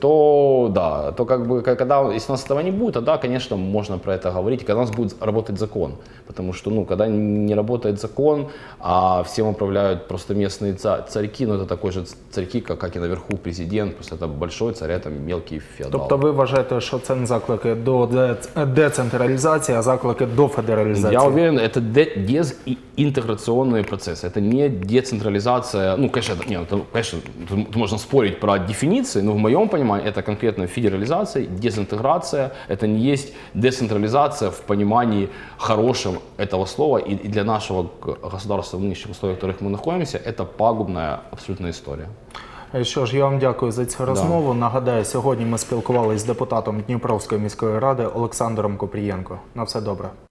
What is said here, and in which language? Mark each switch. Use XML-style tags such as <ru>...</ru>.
<ru>То, да, то как бы, когда, если у нас этого не будет, тогда, конечно, можно про это говорить, когда у нас будет работать закон. Потому что, ну, когда не работает закон, а всем управляют просто местные царьки, ну, это такой же царьки, как и наверху президент, просто это большой царь, а там мелкий феодал.</ru> <uk>Тобто ви вважаєте, що це не заклики до децентралізації, а заклики до федералізації?</uk> <ru>Я уверен, это дезинтеграционные процессы, это не децентрализация, ну, конечно, можно спорить про дефиниции, но в моем понимании это конкретно федерализация, дезинтеграция, это не есть децентрализация в понимании хорошем этого слова, и для нашего государства в нынешних условиях, в которых мы находимся, это пагубная абсолютная история.</ru> <uk>Що ж, я вам дякую за цю розмову. Да. Нагадаю, сьогодні ми спілкувалися з депутатом Дніпровської міської ради Олександром Купрієнко. На все добре.</uk>